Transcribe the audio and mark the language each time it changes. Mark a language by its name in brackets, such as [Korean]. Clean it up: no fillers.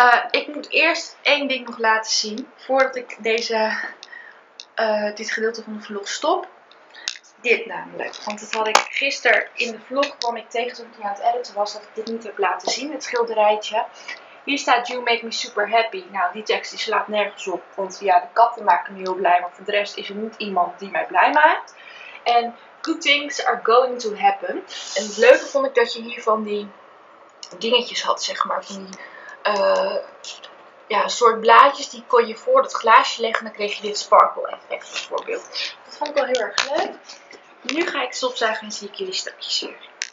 [Dutch] Ik moet eerst één ding nog laten zien. Voordat ik dit gedeelte van de vlog stop. Dit namelijk. Want dat had ik gisteren in de vlog. Kwam ik tegen toen ik aan het editen was. Dat ik dit niet heb laten zien. Het schilderijtje. Hier staat [English] You Make Me Super Happy. [Dutch] Nou, die tekst die slaat nergens op. Want ja, de katten maken me heel blij. Maar voor de rest is er niet iemand die mij blij maakt. [English] En good things are going to happen. [Dutch] En het leuke vond ik dat je hier van die dingetjes had, zeg maar. Van die soort blaadjes. Die kon je voor het glaasje leggen. Dan kreeg je dit sparkle effect bijvoorbeeld. Dat vond ik wel heel erg leuk. Nu ga ik stofzuigen en zie ik jullie straks weer.